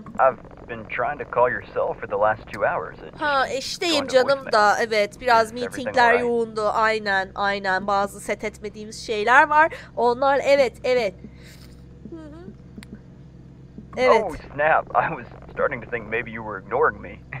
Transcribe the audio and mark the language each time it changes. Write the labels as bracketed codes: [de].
[en] I've been trying to call your cell for the last 2 hours. [tr] Ha, işteyim canım da. Evet, biraz meetingler yoğundu. Aynen. Bazı set etmediğimiz şeyler var. Onlar, evet. [en] Oh snap, I was starting to think maybe you were ignoring me.